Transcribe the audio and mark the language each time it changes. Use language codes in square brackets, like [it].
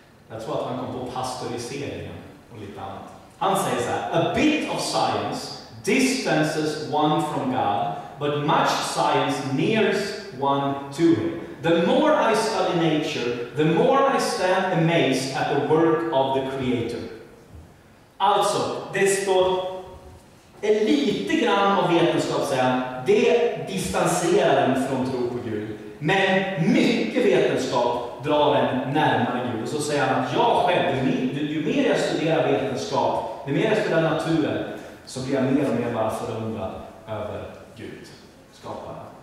[sv] Jag tror att han kom på pasteuriseringen och lite annat. Han säger så här: [en] a bit of science distances one from God, but much science nears one to him. The more I study nature, the more I stand amazed at the work of the creator. [sv] Alltså, det står en lite grann av vetenskap, säger, det distanserar en från tro på Gud. Men mycket vetenskap drar en närmare Gud. Och så säger han att jag själv, ju mer jag studerar vetenskap, ju mer jag studerar naturen, så blir jag mer och mer bara förundrad över Gud, skaparen.